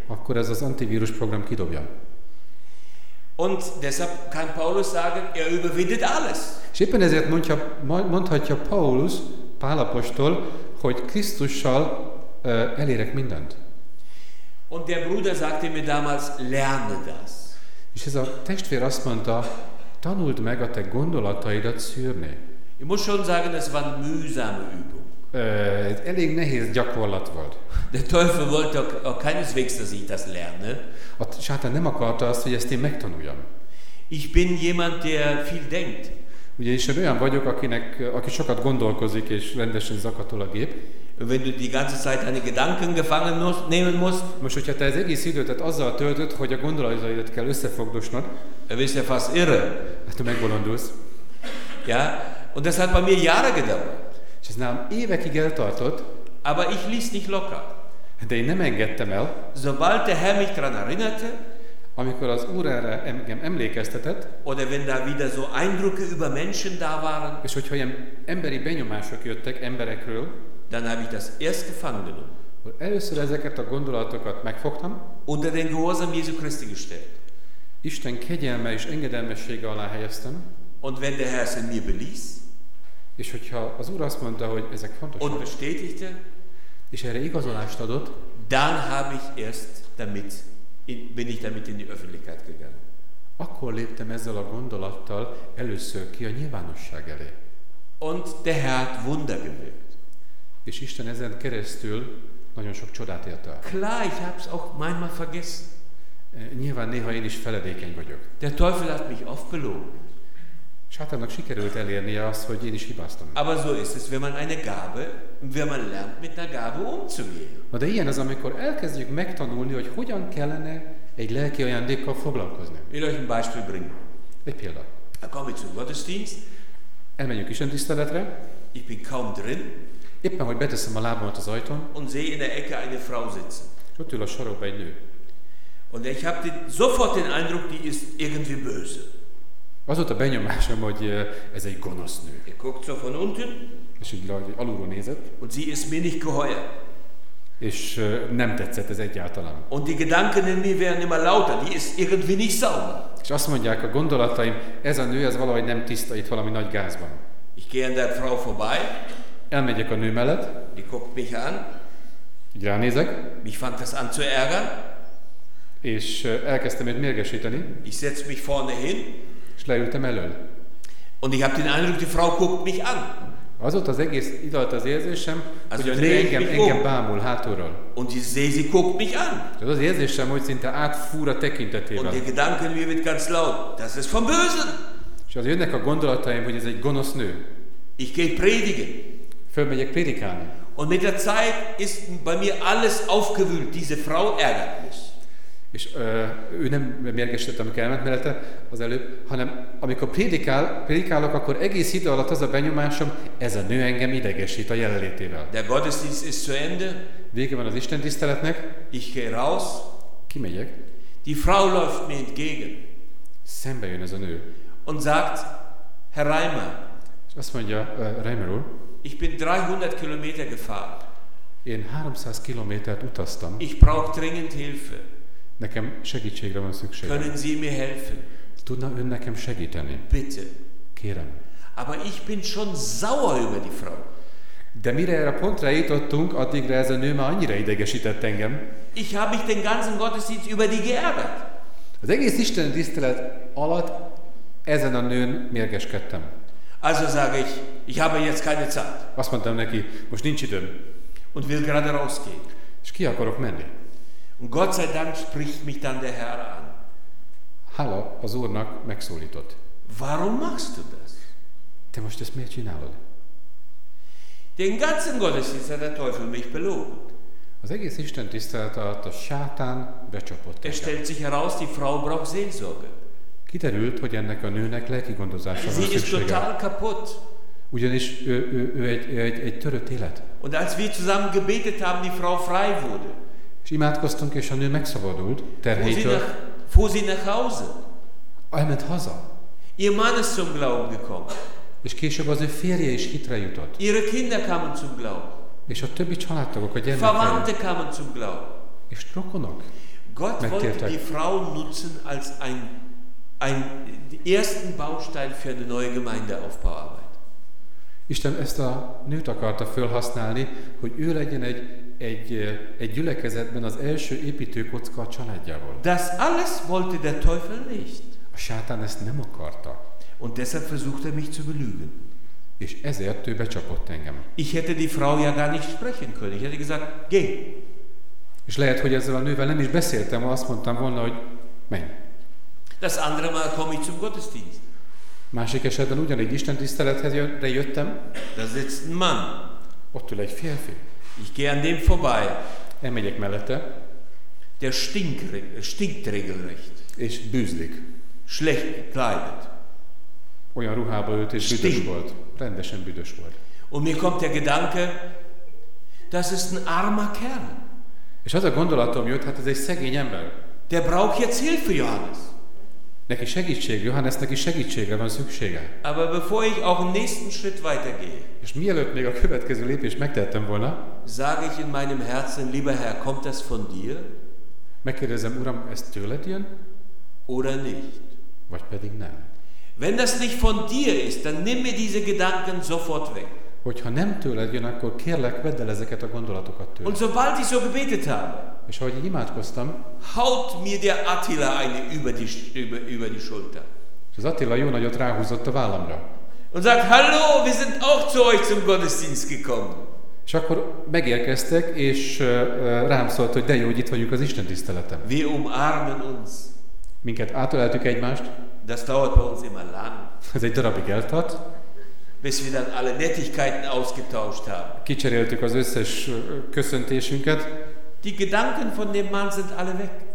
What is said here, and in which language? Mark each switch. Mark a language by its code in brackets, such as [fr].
[hu] Akkor ez az antivírus program kidobja. [de] Und deshalb kann Paulus sagen, er überwindet alles. [hu] És éppen ezért mondhatja Paulus, Pál apostol, hogy Krisztussal elérek mindent. [de] Und der Bruder sagte mir damals, lerne das. [hu] És ez a testvér azt mondta, tanuld meg a te gondolataidat szűrni. [de] Ich muss schon sagen, es war mühsame Übung. [hu] Ez elég nehéz gyakorlat volt. [de] Der Teufel wollte auch keineswegs, dass ich das lerne. [hu] A sátán nem akarta azt, hogy ezt én megtanuljam. [de] Ich bin jemand, der viel denkt. [hu] Ugyanis én olyan vagyok, aki sokat gondolkozik és rendesen zakatol a gép. [de] Wenn du die ganze Zeit deine Gedanken gefangen nehmen musst. [hu] Most, hogyha te az egész időt azzal töltöd, hogy a gondolataidat kell összefogdosnod. [de] Bist ja fast irre. [hu] Hát, du megbolondulsz. [de] Ja, und das hat bei mir Jahre gedauert. [hu] És ez nálam évekig eltartott. [de] Aber ich ließ nicht locker. [hu] De én nem engedtem el. [de] Sobald der Herr mich daran erinnerte. [hu] Amikor az Úr erre engem emlékeztetett. [de] Oder wenn da wieder so Eindrücke über Menschen da waren. [hu] És hogyha ilyen emberi benyomások jöttek emberekről. [de] Dann habe ich das erst gefangen genommen. [hu] Először ezeket a gondolatokat megfogtam. [de] Unter den Gehorsam Jesu Christi gestellt. [hu] Isten kegyelme és engedelmessége alá helyeztem. [de] Und wenn der Herr es in mir beließ. [hu] És hogyha az Úr azt mondta, hogy ezek fontosak. [de] Und bestätigte. [hu] És erre igazolást adott. [de] Dann habe ich erst damit, bin ich damit in die Öffentlichkeit gegangen. [hu] Akkor léptem ezzel a gondolattal először ki a nyilvánosság elé. [de] Und der Herr hat Wunder gewirkt. [hu] És Isten ezen keresztül nagyon sok csodát ért el. [de] Klar, ich hab's auch manchmal vergessen. [hu] Nyilván néha én is feledékeny vagyok. [de] Der Teufel hat mich oft belogen. [hu] Sátának sikerült elérnie azt, hogy én is hibáztam. [de] Aber so ist es, wenn man eine Gabe, wenn man lernt mit der Gabe umzugehen. [hu] Na de ilyen az, amikor elkezdjük megtanulni, hogy hogyan kellene egy lelki ajándékkal foglalkozni. [de] Will euch ein Beispiel bringen. [hu] Egy példa. [de] Komm ich zum Gottesdienst. [hu] Elmenjünk istentiszteletre. [de] Ich bin kaum drin. [hu] Éppen, hogy beteszem a lábamat az ajtón. [de] Und sehe in der Ecke eine Frau sitzen. [hu] És ott ül a sarokba egy nő. [de] Und ich habe den, sofort den Eindruck, die ist irgendwie böse. [hu] Az volt a benyomásom, hogy ez egy gonosz nő. [de] Er guckt so von unten. [hu] És így alulról nézett. [de] Und sie ist mir nicht geheuer. [hu] És nem tetszett ez egyáltalán. [de] Und die Gedanken in mir werden immer lauter, die ist irgendwie nicht sauber. [hu] És azt mondják a gondolataim, ez a nő, ez valahogy nem tiszta, itt valami nagy gázban. [de] Ich gehe an der Frau vorbei. [hu] Elmegyek a nő mellett. [de] Die guckt mich an. [hu] Így ránézek. [de] Mich fängt das an zu ärgern. [hu] És elkezdtem őt mérgesíteni. [de] Ich setz mich vorne hin. [hu] És leültem elől. [de] Und ich hab den Eindruck, die Frau guckt mich an. [hu] Az ott az egész idalt az érzésem, also hogy a nő engem bámul hátulról. [de] Und sie sehe, sie guckt mich an. [hu] Az az érzésem, hogy szinte átfúr a tekintetével. [de] Und die Gedanken mir wird ganz laut. Das ist vom Bösen. [hu] És az jönnek a gondolataim, hogy ez egy gonosz nő. [de] Ich gehe predigen. [hu] Fölmegyek prédikálni. [de] Und mit der Zeit ist bei mir alles aufgewühlt. Diese Frau ärgert mich. [hu] És ő nem mérgesített, amikor elment mellette az előbb, hanem amikor prédikálok, akkor egész idő alatt az a benyomásom, ez a nő engem idegesít a jelenlétével. [de] Der Gottesdienst ist zu Ende. [hu] Vége van az istentiszteletnek. [de] Ich gehe raus. [hu] Kimegyek. [de] Die Frau läuft mir entgegen. [hu] Szembe jön ez a nő. [de] Und sagt, Herr Reimer. [hu] És azt mondja, Reimer úr. [de] Ich bin 300 Kilometer gefahren. [hu] Én 300 kilométert utaztam. [de] Ich brauche dringend Hilfe. [hu] Nekem segítségre van szükségem. [de] Können Sie mir helfen? [hu] Tudna ön nekem segíteni? [de] Bitte. [hu] Kérem. [de] Aber ich bin schon sauer über die Frau. [hu] De mire erre pontra jutottunk, addigra ez a nő már annyira idegesített engem. [de] Ich habe mich den ganzen Gottesdienst über die geärgert. [hu] Az egész Isten tisztelet alatt ezen a nőn mérgeskedtem. [de] Also sage ich habe jetzt keine Zeit. [hu] Azt mondtam neki, most nincs időm. [de] Und will gerade rausgehen. [hu] És ki akarok menni? [de] Und Gott sei Dank spricht mich dann der Herr an. [hu] Hallo, az Úrnak megszólított. [de] Warum machst du das? [hu] Te most ezt miért csinálod? [de] Den ganzen Gottesdienst hat der Teufel mich belogen. [hu] Az egész Isten tisztelet alatt a sátán becsapott. [de] Es stellt sich heraus, die Frau braucht Seelsorge. [hu] Kiderült, hogy ennek a nőnek lelki gondozása van szüksége. [de] Sie ist total kaputt. [hu] Ugyanis ő egy törött élet. [de] Und als wir zusammen gebetet haben, die Frau frei wurde. [hu] És imádkoztunk, és a nő megszabadult terhétől. [de] Fuhr sie nach Hause. [hu] Elment haza. [de] Ihr Mann ist zum Glauben gekommen. [hu] És később az ő férje is hitre jutott. [de] Ihre Kinder kamen zum Glauben. [hu] És a többi családtagok, a gyermekei. [de] Verwandte kamen zum Glauben. [hu] És rokonok. [de] Gott wollte die Frau nutzen als ein ersten Baustein für eine neue Gemeindeaufbauarbeit. [hu] Isten ezt a nőt akarta felhasználni, hogy ő legyen egy gyülekezetben az első építőkocka a családjával. [de] Das alles wollte der Teufel nicht. [hu] A sátán ezt nem akarta. [de] Und deshalb versuchte mich zu belügen. [hu] És ezért ő becsapott engem. [de] Ich hätte die Frau ja gar nicht sprechen können. Ich hätte gesagt, geh. [hu] És lehet, hogy ezzel a nővel nem is beszéltem, azt mondtam volna, hogy menj. [de] Das andere Mal komme ich zum Gottesdienst. [hu] Másik esetben ugyanígy istentisztelethez jöttem. [de] Da sitzt ein Mann. [hu] Ott ül egy férfi. [de] Ich gehe an dem vorbei. [hu] Elmegyek mellette. [de] Der stinkt regelrecht. [hu] És bűzlik. [de] Schlecht gekleidet. [hu] Olyan ruhába ült és stink. Büdös volt. Rendesen büdös volt. [de] Und mir kommt der Gedanke, das ist ein armer Kerl. [hu] És az a gondolatom jött, hát ez egy szegény ember. [de] Der braucht jetzt Hilfe, Johannes. [hu] Neki segítség, Johannes, neki segítségre van szüksége. [de] Aber bevor ich auch den nächsten Schritt weitergehe. [hu] És mielőtt még a következő lépést megtettem volna. [de] Sage ich in meinem Herzen, lieber Herr, kommt das von dir? [hu] Megkérdezem, Uram, ez tőled jön? [de] Oder nicht? [hu] Vagy pedig nem. [de] Wenn das nicht von dir ist, dann nimm mir diese Gedanken sofort weg. [hu] Hogyha nem tőled jön, akkor kérlek, vedd el ezeket a gondolatokat tőled. [de] Und sobald ich so gebetet habe. [hu] És ahogy én imádkoztam, [de] haut mir der Attila eine über die Schulter. [hu] És az Attila jó nagyot ráhúzott a vállamra. [de] Und sagt, hallo, wir sind auch zu euch zum Gottesdienst gekommen. [hu] És akkor megérkeztek, és rám szólt, hogy de jó, hogy itt vagyunk az Isten tiszteleten. [de] Wir umarmen uns. [hu] Minket átöleltük egymást. [de] Das dauert bei uns immer lang. [hu] Ez egy darabig eltart. [de] Bis wir dann alle Nettigkeiten ausgetauscht haben. [hu] Kicseréltük az összes köszöntésünket. [de] Die Gedanken von dem Mann sind alle weg.